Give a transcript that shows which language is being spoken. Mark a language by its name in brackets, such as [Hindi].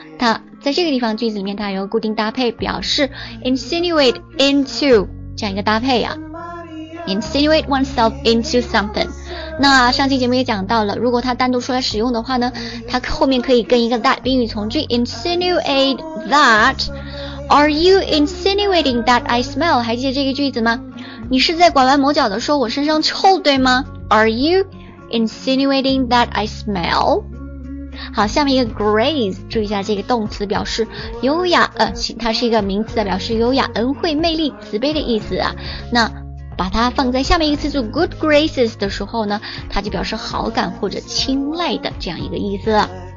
[Chinese] 它在这个地方句子里面，它有固定搭配，表示 insinuate into 这样一个搭配啊， insinuate oneself into something。那上期节目也讲到了，如果它单独出来使用的话呢，它后面可以跟一个 that 宾语从句， insinuate that。 [English] Are you insinuating that I smell？ [Chinese] 还记得这个句子吗？你是在拐弯抹角的说我身上臭，对吗？ [English] Are you insinuating that I smell？ [Chinese] 好，下面一个 grace， 注意一下这个动词，表示优雅，它是一个名词，表示优雅、恩惠、魅力、慈悲的意思啊。那把它放在下面一个词组 good graces 的时候呢，它就表示好感或者青睐的这样一个意思了。